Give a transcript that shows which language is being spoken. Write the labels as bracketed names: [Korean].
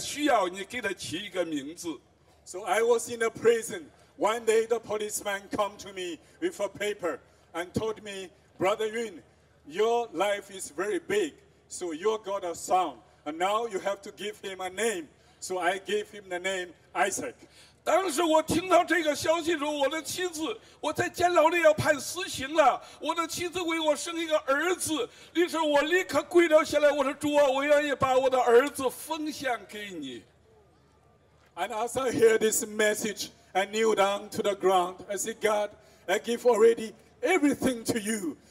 [Chinese] 那个时候突然之间我在监狱里一个惊叹拿了一张纸走到我的跟前说天上人云弟兄你的命大呀你现在要枪毙了但是你的妻子为你生了一个儿子现在需要你给他起一个名字。 [English] So I was in a prison. One day the policeman came to me with a paper and told me, Brother Yun, your life is very big, so you got a son, and now you have to give him a name. So I gave him the name Isaac. [Chinese] 当时我听到这个消息的时候，我的妻子，我在监牢里要判死刑了。我的妻子为我生一个儿子，于是我立刻跪倒下来，我说：“主啊，我愿意把我的儿子奉献给你。” [English] And as I hear this message, I kneel down to the ground. I said, God, I give already everything to you.